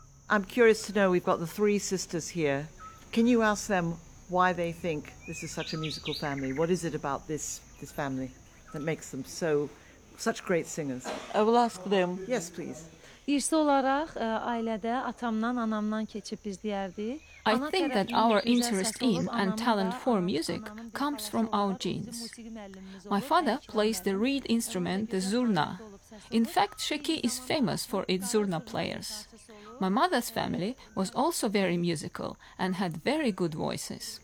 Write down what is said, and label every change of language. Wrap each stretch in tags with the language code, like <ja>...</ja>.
<en>I'm curious to know, we've got the three sisters here. Can you ask them why they think this is such a musical family? What is it about this family that makes them so such great singers? I will ask them. Yes, please.</en> <az>İrsi olaraq ailədə atamdan, anamdan keçib biz deyərdik.</az> <en>I think that our interest in and talent for music comes from our genes. My father plays the reed instrument, the zurna. In fact, Şeki is famous for its zurna players. My mother's family was also very musical and had very good voices.</en>